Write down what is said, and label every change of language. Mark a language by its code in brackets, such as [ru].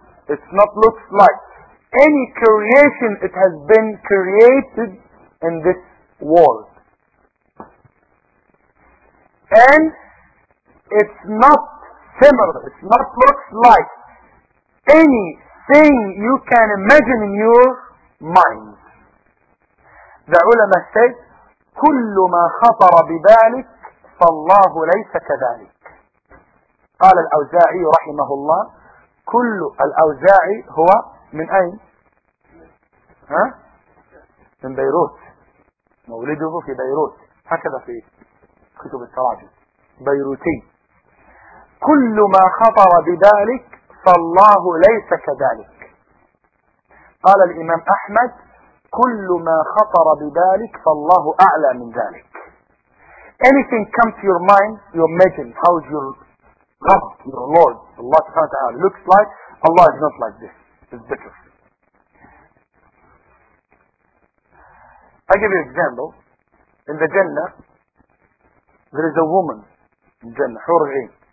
[en] It's not looks like any creation, it has been created in this world. And it's not similar, it's not looks like anything you can imagine in your mind. The ulama said, [ar] كُلُّ مَا خَطَرَ بِبَالِكَ فَاللَّهُ لَيْسَ كَذَلِكَ. قال الأوزاعي رحمه الله, كل الأوزاعي هو من أين؟ ها؟ من بيروت. مولده في بيروت, هكذا في كتب التراجم, بيروتي. كل ما خطر بذلك فالله ليس كذلك. قال الإمام أحمد, كل ما خطر بذلك فالله أعلى من ذلك. [en] Anything comes to your mind, you imagine how is your God, your Lord, Allah سبحانه وتعالى looks like, Allah is not like this. It's better. I give you an example. In the Jannah, there is a woman in Jannah, حور عين.